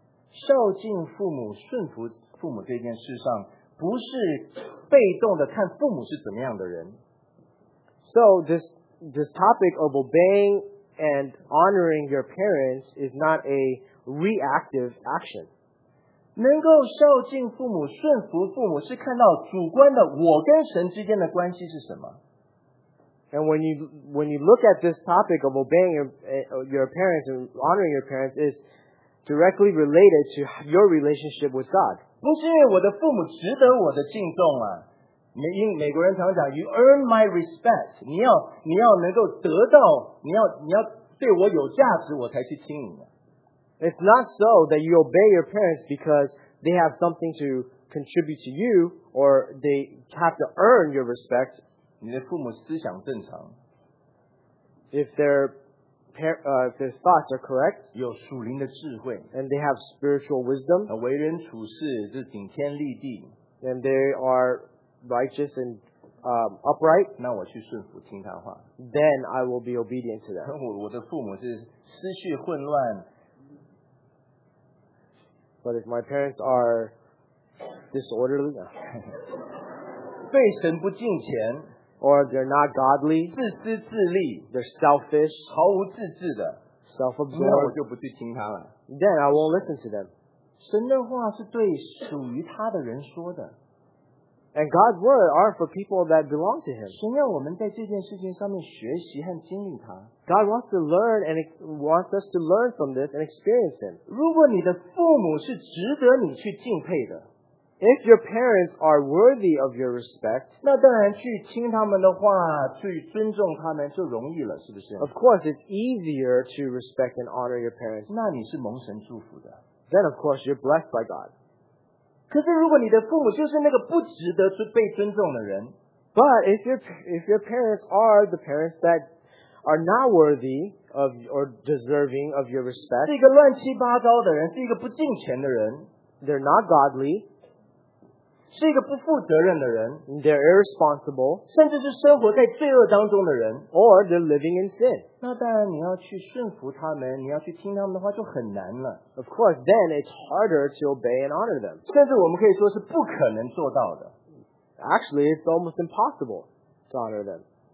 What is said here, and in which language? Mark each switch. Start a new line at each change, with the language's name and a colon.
Chinese: 孝敬父母、顺服父母这件事上，不是被动的看父母是怎么样的人。
English: So this topic of obeying and honoring your parents is not a reactive action.
Chinese: 能够孝敬父母、顺服父母是看到主观的我跟神之间的关系是什么。
English: And when you look at this topic of obeying your parents and honoring your parents is directly related to your relationship with God.
Chinese: 不是因为我的父母值得我的敬重啊。美国人常讲 ，
English: You earn my respect，
Chinese: 你要能够得到，你要对我有价值，我才去听你。
English: It's not so that you obey your parents because they have something to contribute to you or they have to earn your respect.
Chinese: 你的父母思想正常
English: ，If their thoughts are correct，
Chinese: 有属灵的智慧
English: ，and they have spiritual wisdom，
Chinese: 为人处事是顶天立地
English: ，and they are righteous and upright,
Chinese: 那我去顺服听他话,
English: then I will be obedient to them.
Chinese: 我的父母是思绪混乱,
English: but if my parents are disorderly,
Chinese: 对神不敬虔,
English: or they're not godly,
Chinese: 自私自利,
English: they're selfish,
Chinese: 毫无自制的,
English: self-absorbed, then I won't listen to them.
Chinese: 神的话是对属于他的人说的,
English: and God's word are for people that belong to Him.
Chinese: 神要我们在这件事情上面学习和经历他,
English: God wants to learn and wants us to learn from this and experience Him.
Chinese: 如果你的父母是值得你去敬佩的,
English: if your parents are worthy of your respect,
Chinese: 那当然去听他们的话, 去尊重他们就容易了, 是不是?
English: Of course, it's easier to respect and honor your parents.
Chinese: 那你是蒙神祝福的,
English: then of course you're blessed by God.
Chinese: 可是如果你的父母就是那个不值得被尊重的人,
English: but if your parents are the parents that are not worthy of or deserving of your respect,
Chinese: 是一个乱七八糟的人, 是一个不敬虔的人,
English: they're not godly,
Chinese: 是一个不负责任的人,
English: they're irresponsible,
Chinese: 甚至是生活在罪恶当中的人,
English: or they're living in sin.
Chinese: 那当然你要去顺服他们, 你要去听他们的话就很难了,
English: of course, then it's harder to obey and honor them.
Chinese: 甚至我们可以说是不可能做到的,
English: actually, it's almost impossible to honor them.